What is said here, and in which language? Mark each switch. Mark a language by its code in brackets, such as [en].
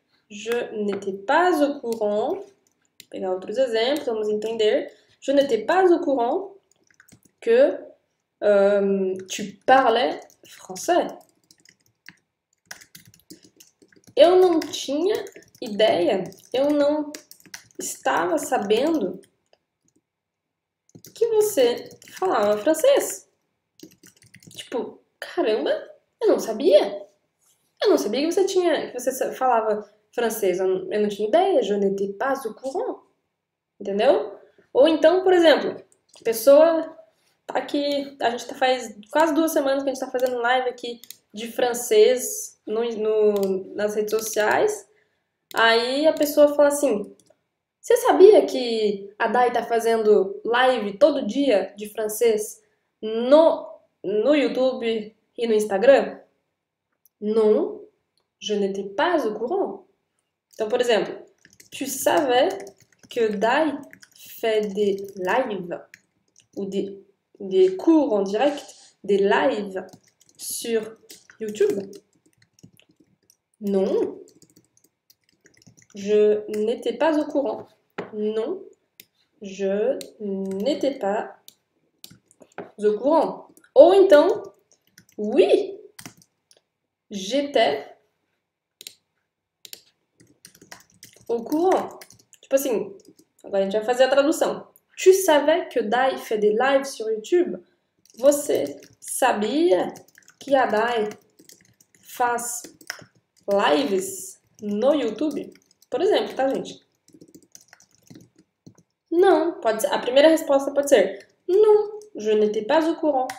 [fr] Je n'étais pas au courant. [pt] Vou pegar outros exemplos, vamos entender. [fr] Je n'étais pas au courant que tu parlais français. [pt] Eu não tinha ideia, eu não estava sabendo que você falava francês. Tipo, caramba, eu não sabia. Eu não sabia que você falava francês. Eu não tinha ideia. [fr] Je n'étais pas au courant. [pt] Entendeu? Ou então, por exemplo, pessoa tá aqui. A gente tá faz quase 2 semanas que a gente tá fazendo live aqui de francês nas redes sociais. Aí a pessoa fala assim: você sabia que a Dai tá fazendo live todo dia de francês no YouTube e no Instagram? [fr] Non, je n'étais pas au courant. [pt] Então, por exemplo, [fr] tu savais que Dai fait des lives ou des cours en direct, des lives sur YouTube? Non, je n'étais pas au courant. Non, je n'étais pas au courant. Oh, então, oui, j'étais au courant. [pt] Tipo assim, agora a gente vai fazer a tradução. [fr] Tu savais que Dai fait des lives sur YouTube? [pt] Você sabia que a Dai faz lives no YouTube? Por exemplo, tá, gente? Não, pode ser. A primeira resposta pode ser: [fr] Non, je n'étais pas au courant.